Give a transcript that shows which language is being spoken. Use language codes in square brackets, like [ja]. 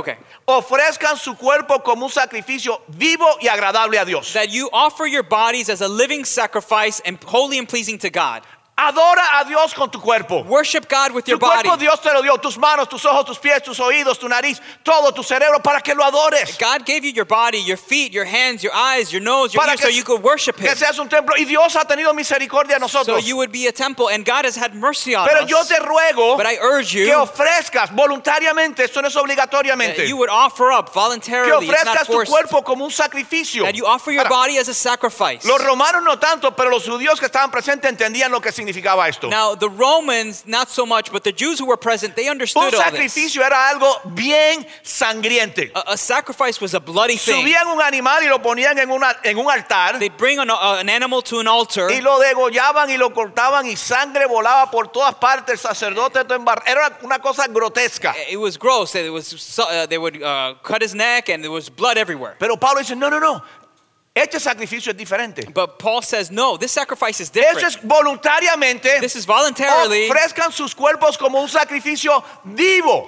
[en] okay. [es] Ofrezcan su cuerpo como un sacrificio vivo y agradable a Dios [en] that you offer your bodies as a living sacrifice and holy and pleasing to God [es] Adora a Dios con tu cuerpo. [en] Worship God with your body. [es] Tu cuerpo Dios te lo dio, tus manos, tus ojos, tus pies, tus oídos, tu nariz, todo tu cerebro para que lo adores. [en] God gave you your body, your feet, your hands, your eyes, your nose, your ears, so you could worship him. [es] Que seas un templo y Dios ha tenido misericordia a nosotros. [en] So you would be a temple and God has had mercy on us. [es] Pero yo te ruego, [en] but I urge you, [es] que ofrezcas voluntariamente, esto no es obligatoriamente. [en] You would offer up voluntarily, it's not forced. [es] Que ofrezcas tu cuerpo como un sacrificio. [en] And you offer your body as a sacrifice. [es] Los romanos no tanto, pero los judíos que estaban presentes entendían lo que significaba. [en] Now the Romans, not so much, but the Jews who were present, they understood all this. [es] Un sacrificio era algo bien sangriente. [en] A sacrifice was a bloody thing. [es] Subían un animal y lo ponían en un altar. [en] They bring an animal to an altar. [es] Y lo degollaban y lo cortaban y sangre volaba por todas partes. El sacerdote era una cosa grotesca. [en] It was gross. It was they would cut his neck and there was blood everywhere. [es] Pero Pablo dice, no. Este sacrificio es diferente. [en] But Paul says, no, this sacrifice is different. [es] Es voluntariamente. [en] This is voluntarily. [es] Ofrezcan sus cuerpos como un sacrificio vivo.